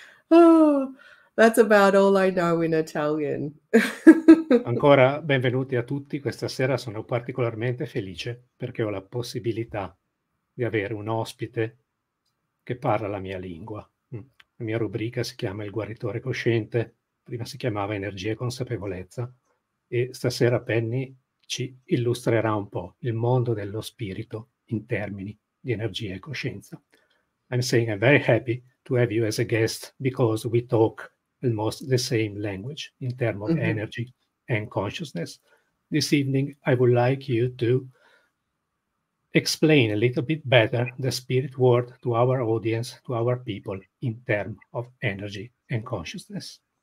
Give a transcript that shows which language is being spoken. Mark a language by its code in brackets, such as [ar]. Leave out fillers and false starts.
[en] Oh, that's about all I know in Italian. [it] Ancora benvenuti a tutti. Questa sera sono particolarmente felice perché ho la possibilità di avere un ospite che parla la mia lingua. La mia rubrica si chiama Il Guaritore Cosciente, prima si chiamava Energia e Consapevolezza, e stasera Penny ci illustrerà un po' il mondo dello spirito in termini di energia e coscienza. [en] I'm saying I'm very happy to have you as a guest because we talk almost the same language in terms of energy and consciousness. This evening I would like you to explain a little bit better the spirit world to our audience, to our people, in terms of energy and consciousness.